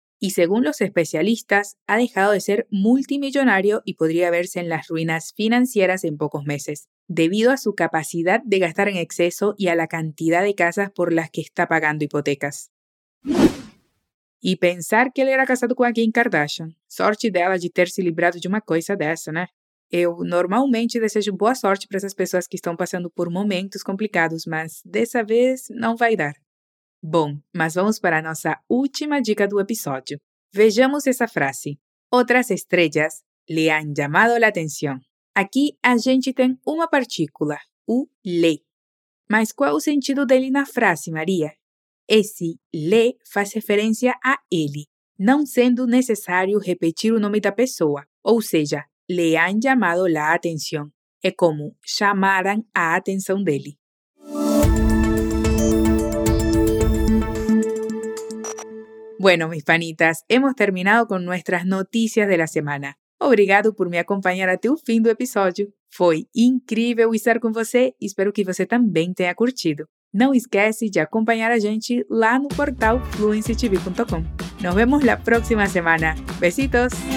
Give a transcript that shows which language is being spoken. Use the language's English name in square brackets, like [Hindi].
[Spanish] Y según los especialistas, ha dejado de ser multimillonario y podría verse en las ruinas financieras en pocos meses, debido a su capacidad de gastar en exceso y a la cantidad de casas por las que está pagando hipotecas. Y pensar que él era casado con Kim Kardashian. [Portuguese] Sorte dela de ter se librado de uma coisa dessa, né? Eu normalmente desejo boa sorte para essas pessoas que estão passando por momentos complicados, mas dessa vez não vai dar. Bom, mas vamos para a nossa última dica do episódio. Vejamos essa frase. Outras estrelas lhe [Spanish] han llamado la atención. [Portuguese] Aqui a gente tem uma partícula, o le. Mas qual o sentido dele na frase, Maria? Esse le faz referência a ele, não sendo necessário repetir o nome da pessoa, ou seja, [Spanish] le han llamado la atención. [Portuguese] É como chamaram a atenção dele. [Spanish] Bueno, mis panitas, hemos terminado con nuestras noticias de la semana. [Portuguese] Obrigado por me acompanhar até o fim do episódio. Foi incrível estar com você e espero que você também tenha curtido. Não esquece de acompanhar a gente lá no portal fluencytv.com. [Spanish] Nos vemos la próxima semana. Besitos!